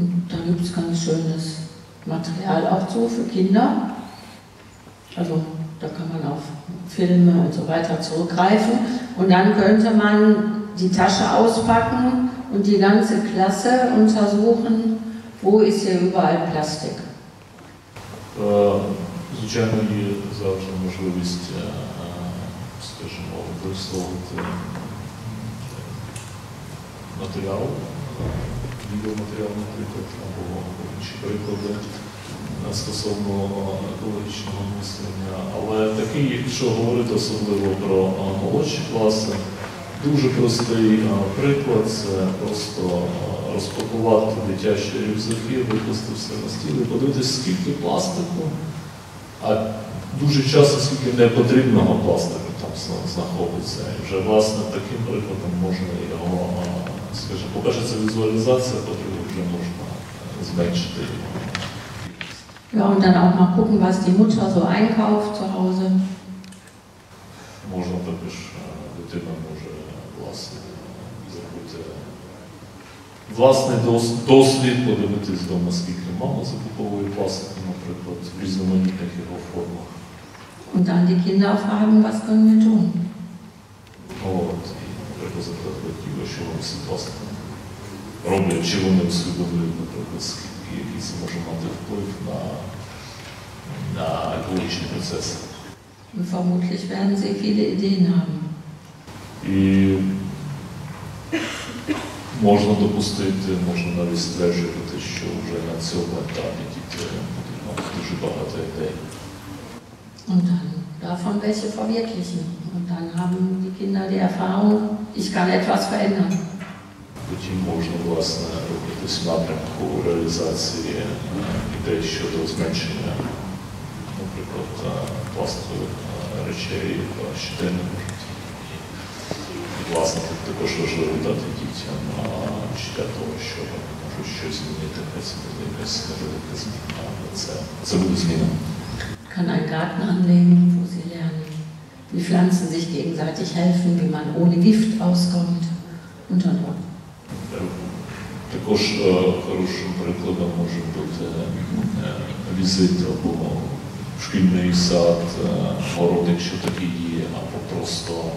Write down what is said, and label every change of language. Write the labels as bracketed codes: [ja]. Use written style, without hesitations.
[de] Da gibt es ganz schönes Material auch zu für Kinder. Also, da kann man auf Filme und so weiter zurückgreifen. Und dann könnte man die Tasche auspacken und die ganze Klasse untersuchen, wo ist hier überall Plastik. [uk] Звичайно, є завжди можливість, скажімо, використовувати матеріал, відеоматеріал, наприклад, або інші приклади стосовно екологічного мислення. Але такий, якщо говорити особливо про молодші класи, дуже простий приклад – це просто розпакувати дитячі рюкзаки, випустити все на стіл і подивитися, скільки пластику, а дуже часто, скільки непотрібного пластику там знаходиться. І вже, власне, таким прикладом можна його, скажімо, по-перше, це візуалізація, по-друге, вже можна зменшити його. [de] Ja, und dann auch mal gucken, was die Mutter so einkauft zu Hause. [uk] Можна також дитина може власне зробити власний досвід подивитись вдома, скільки мама закуповує пластик, наприклад, в різноманітних його формах. [de] Und dann die Kinder fragen, was können wir tun? [uk] От, і треба запитати, що вони всі пластиком роблять, чи вони усвідомлюють, наприклад, скільки, який це може мати вплив на екологічні процеси. [de] Und vermutlich werden sie viele Ideen haben. [uk] І можна допустити, можна навіть стверджувати, що вже на цьому етапі діти мають дуже багато ідей. [de] Und dann davon welche verwirklichen. Und dann haben die Kinder die Erfahrung, ich kann etwas verändern. [uk] Потім можна, власне, робитись в напрямку реалізації ідей щодо зменшення, наприклад, пластикових речей в щоденному житті. Власне, тут також важливо дати дітям для того, що можуть щось змінити, невелика зміна, але це буде зміна. [de] Kann ein Garten anlegen, wo sie lernen, wie Pflanzen sich gegenseitig helfen, wie man ohne Gift auskommt und dann auch. [uk] Також хорошим прикладом може бути візит або шкільний сад, город, якщо такі є, або просто